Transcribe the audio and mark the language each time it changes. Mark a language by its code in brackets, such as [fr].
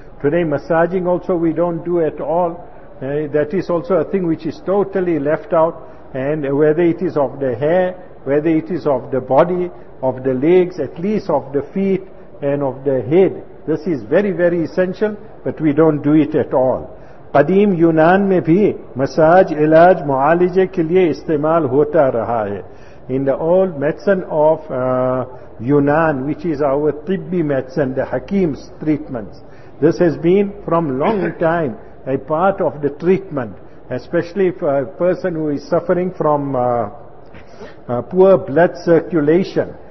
[en] Today, massaging also we don't do at all. That is also a thing which is totally left out. And whether it is of the hair, whether it is of the body, of the legs, at least of the feet and of the head, this is very, very essential, but we don't do it at all. [ur] قدیم یونان میں بھی massage علاج معالجے کے لیے استعمال ہوتا رہا ہے. [en] In the old medicine of Yunnan, which is our tibbi medicine, the hakim's treatments, this has been from long time a part of the treatment, especially for a person who is suffering from poor blood circulation.